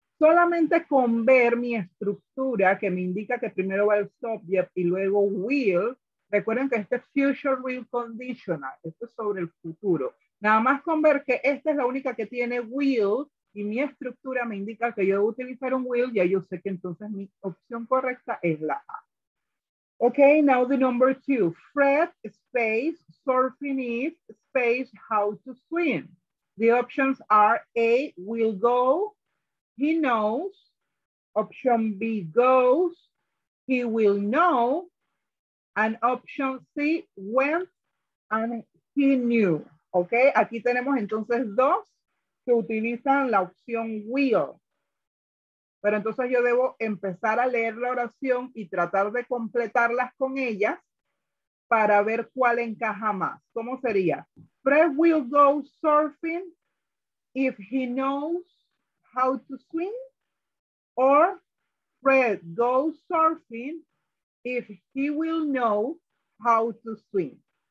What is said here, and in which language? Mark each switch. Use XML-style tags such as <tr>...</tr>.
<es>Solamente con ver mi estructura que me indica que primero va el subject y luego will. Recuerden que este es future will conditional. Esto es sobre el futuro. Nada más con ver que esta es la única que tiene will y mi estructura me indica que yo debo utilizar un will, ya yo sé que entonces mi opción correcta es la A.</es> <en>Okay, now the number two. Fred space surfing is space how to swim. The options are A, will go, he knows. Option B, goes, he will know. And option C, went and he knew.</en> <es>Okay, aquí tenemos entonces dos que utilizan la opción will. Pero entonces yo debo empezar a leer la oración y tratar de completarlas con ellas para ver cuál encaja más. ¿Cómo sería?</es> <en>Fred will go surfing if he knows how to swim. Or Fred goes surfing if he will know how to swim.</en>